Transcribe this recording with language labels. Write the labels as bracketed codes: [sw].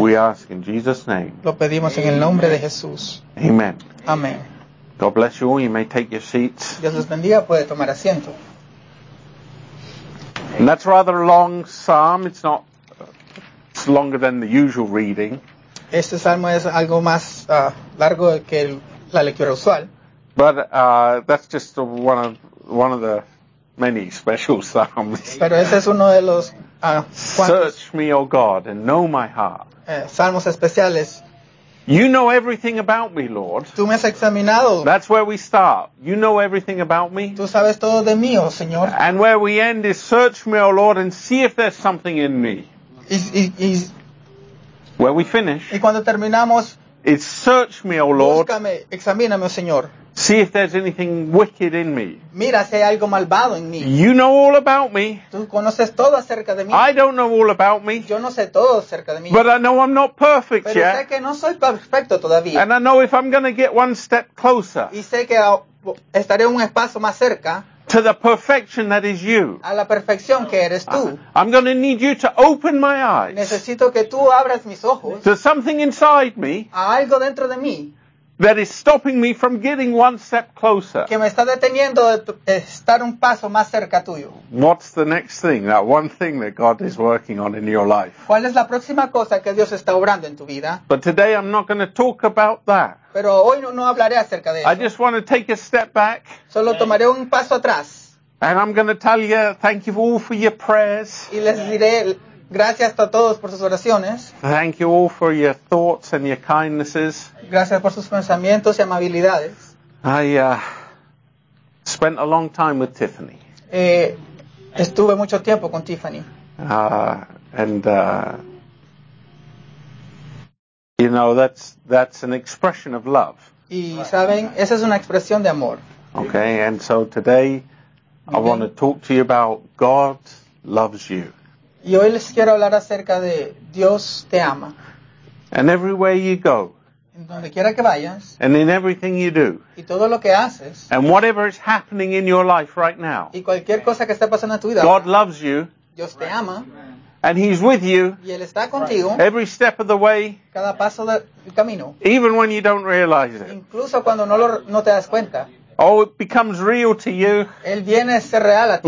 [en] We ask in Jesus' name. [es] Lo pedimos en el nombre de Jesús. [en] Amen. Amen. God bless you all. You may take your seats. [es] Dios les bendiga. Puede tomar asiento. [en] And that's rather a long psalm. It's not, it's longer than the usual reading. [es] Este salmo es algo más largo que la lectura usual. [en] But that's just one of the many special psalms. [es] Pero ese es uno de los [en] Search me, O God, and know my heart. [es] Salmos especiales. [en] You know everything about me, Lord. [es] Tú me has examinado. [en] That's where we start. You know everything about me. [es] Tú sabes todo de mí, oh Señor. [en] And where we end is, search me, O Lord, and see if there's something in me. Is where we finish. [es] Y cuando terminamos, [en] it's search me, O Lord. [es] Búscame, examíname, oh Señor. [en] See if there's anything wicked in me. [es] Mira si hay algo malvado en mí. [en] You know all about me. [es] Tú conoces todo acerca de mí. [en] I don't know all about me. [es] Yo no sé todo acerca de mí. [en] But I know I'm not perfect [es] Pero [en] yet. [es] Sé que no soy perfecto todavía. [en] And I know if I'm going to get one step closer. [es] Y sé que estaré un paso más cerca. [en] To the perfection that is you. [es] A la perfección que eres tú. [en] I'm going to need you to open my eyes. [es] Necesito que tú abras mis ojos. [en] To something inside me. [es] A algo dentro de mí. [en] That is stopping me from getting one step closer. [es] Que me está deteniendo de estar un paso más cerca tuyo. [en] What's the next thing? That one thing that God is working on in your life. [es] ¿Cuál es la próxima cosa que Dios está obrando en tu vida? [en] But today I'm not going to talk about that. [es] Pero hoy no hablaré acerca de eso. [en] I just want to take a step back. [es] Solo tomaré un paso atrás. [en] And I'm going to tell you, thank you all for your prayers. [es] Y les diré gracias a todos por sus oraciones. [en] Thank you all for your thoughts and your kindnesses. [es] Gracias por sus pensamientos y amabilidades. [en] I spent a long time with Tiffany. [es] Estuve mucho tiempo con Tiffany. [en] You know, that's an expression of love. [es] Y saben, esa es una expresión de amor. [en] Okay, and so today I want to talk to you about God loves you. [es] Y hoy les quiero hablar acerca de Dios te ama. [en] And everywhere you go. [es] En donde quiera que vayas. [en] And in everything you do. [es] Y todo lo que haces. [en] And whatever is happening in your life right now. [es] Y cualquier cosa que esté pasando en tu vida. [en] God loves you. [es] Dios te ama. [en] And he's with you. [es] Y él está contigo. [en] Every step of the way. [es] Cada paso del camino. [en] Even when you don't realize it. [es] Incluso cuando no te das cuenta. [en] Oh, it becomes real to you. [es] Él viene a ser real a ti.